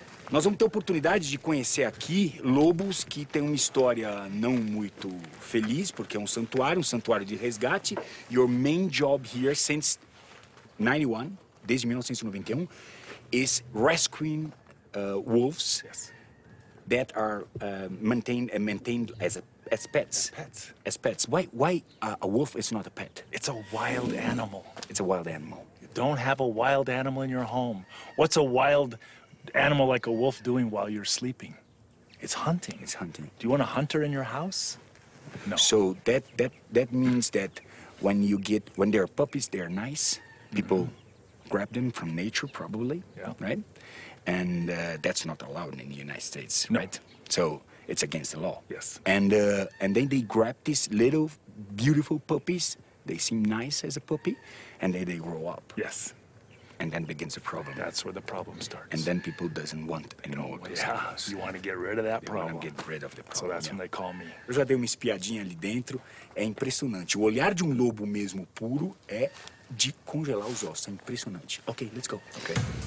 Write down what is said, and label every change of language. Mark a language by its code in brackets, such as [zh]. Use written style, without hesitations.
[pt] Nós vamos ter a oportunidade de conhecer aqui lobos que têm uma história não muito feliz, porque é um santuário de resgate. [en] Your main job here since 91, [pt] desde 1991, [en] is rescuing wolves. Yes. That are maintained as pets. As pets. Why a wolf is not a pet? It's a wild animal. It's a wild animal. You don't have a wild animal in your home. What's a wild animal like a wolf doing while you're sleeping? It's hunting. It's hunting. Do you want a hunter in your house? No. So that means that when they're puppies, they're nice. People grab them from nature, probably. Yeah. Right? And that's not allowed in the United States. No. Right? So it's against the law. Yes. And then they grab these little beautiful puppies. They seem nice as a puppy. And then they grow up. Yes. And then begins the problem. That's where the problem starts. And then people doesn't want anymore. Yeah. Animals. You want to get rid of that problem. They want to get rid of the problem. So that's when they call me. [pt] Eu já dei uma espiadinha ali dentro. É impressionante. O olhar de lobo mesmo puro é de congelar os ossos. É impressionante. [en] Okay, let's go. Okay.